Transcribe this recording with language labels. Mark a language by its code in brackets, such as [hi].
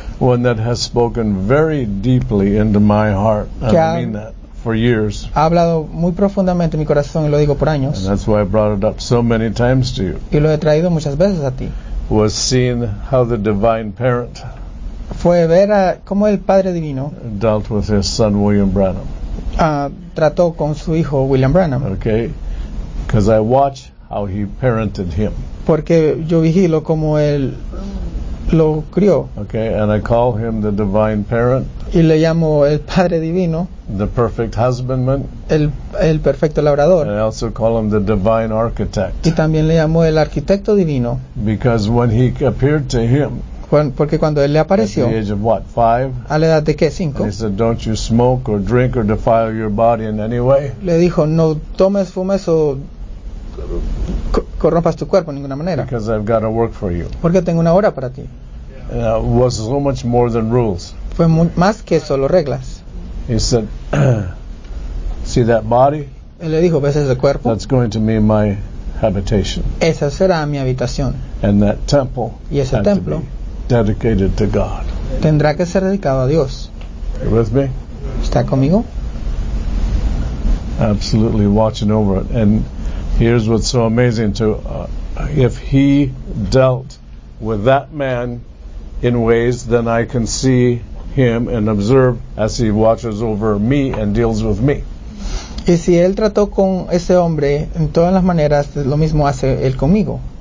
[en] One that has spoken very deeply into my heart. I mean that for years. [es] Ha hablado muy profundamente en mi corazón y lo digo por años. [en] And that's why I brought it up so many times to you. [es] Y lo he traído muchas veces a ti. [en] Was seeing how the divine parent. [es] Fue ver a cómo el Padre Divino [en] dealt with his son William Branham. [es] Trató con su hijo William Branham. [en] Okay, because I watch how he parented him. [es] Porque yo vigilo cómo él lo crió. [en] Okay, and I call him the divine parent. [es] Y le llamo el Padre Divino. [en] The perfect husbandman. [es] El perfecto labrador. [en] And I also call him the divine architect. [es] Y también le llamo el arquitecto divino. [en] Because when he appeared to him. [es] Porque cuando él le apareció, a la edad de qué, 5, [en] he said, "Don't you smoke or drink or defile your body in any way?" [es] Le dijo, "No tomes, fumes o corrompas tu cuerpo de ninguna manera." [en] Because I've got a work for you. [es] Porque tengo una obra para ti. [en] Was so much more than rules. [es] Fue más que solo reglas. [en] He said, "See that body?" [es] Él le dijo, "¿Ves ese cuerpo?" [en] That's going to be my habitation. [es] Esa será mi habitación. [en] And that temple. [es] Y ese templo. [en] Dedicated to God. [es] Tendrá que ser dedicado a Dios. [en] You with me? [es] ¿Está conmigo? [en] Absolutely watching over it. And here's what's so amazing too. If he dealt with that man in ways, then I can see him and observe as he watches over me and deals with me. [es] Y si él trató con ese hombre en todas las maneras, lo mismo hace él conmigo.